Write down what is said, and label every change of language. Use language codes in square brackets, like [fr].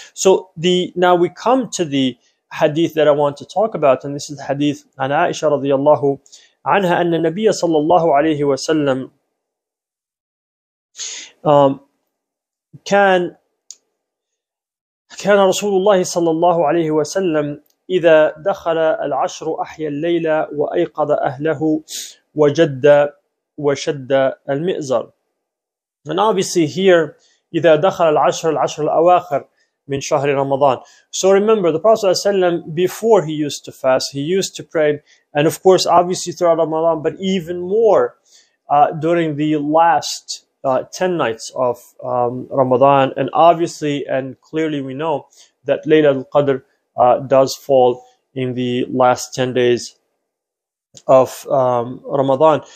[en] So now we come to the hadith that I want to talk about, and this is hadith an Aisha radiallahu anha, and the Nabiya sallallahu alayhi wa sallam [ar] كان رسول الله صلى الله عليه وسلم إذا دخل العشر أحيا الليل وأيقظ أهله وجد وشد المئزر. [en] And obviously here, [ar] إذا دخل العشر, العشر الأواخر من شهر رمضان. [en] So remember, the Prophet [ar] صلى الله عليه وسلم, [en] before he used to fast, he used to pray, and of course obviously throughout Ramadan, but even more during the last 10 nights of Ramadan, and obviously and clearly we know that Laylatul Qadr does fall in the last 10 days of Ramadan.